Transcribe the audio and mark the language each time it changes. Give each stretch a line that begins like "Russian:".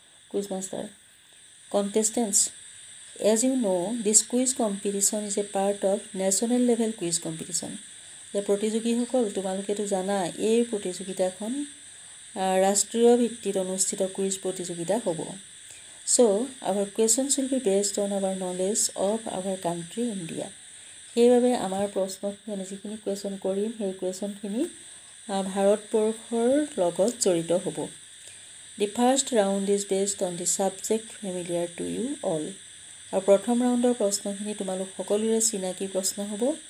English: Quiz master, contestants, as you know' this quiz competition is a part of national level quiz competition.
Assamese: যে প্ৰতিযোগীসকল, তোমালোকেতো জানা এই প্ৰতিযোগিতাখন ৰাষ্ট্ৰীয় ভিত্তিত অনুষ্ঠিত কুইজ প্ৰতিযোগিতা হ'ব।
English: So, our questions will be based on our knowledge of our country, India.
Assamese: সেইবাবে আমাৰ প্ৰশ্নখিনি যিখিনি কুৱেশ্যন কৰিম সেই কুৱেশ্যনখিনি ভাৰতবৰ্ষৰ লগত জড়িত হ'ব।
English: The first round is based on the subject familiar to you all.
Assamese: আৰু প্ৰথম ৰাউণ্ডৰ প্ৰশ্নখিনি তোমালোক সকলোৰে চিনাকি প্ৰশ্ন হ'ব।